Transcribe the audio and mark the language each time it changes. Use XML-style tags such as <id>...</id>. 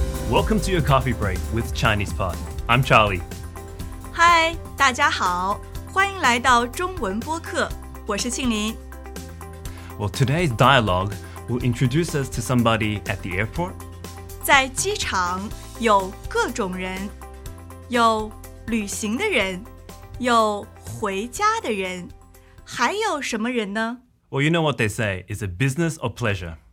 <en>Welcome to your coffee break with Chinese Pod. I'm Charlie.</en> <zh>Hi, 大家好，欢迎来到中文播客，我是庆琳。</zh> <en>Well, today's dialogue will introduce us to somebody at the airport.</en> <zh>在机场有各种人，有旅行的人，有回家的人，还有什么人呢？</zh> <en>Well, you know what they say, is it business or pleasure?</en>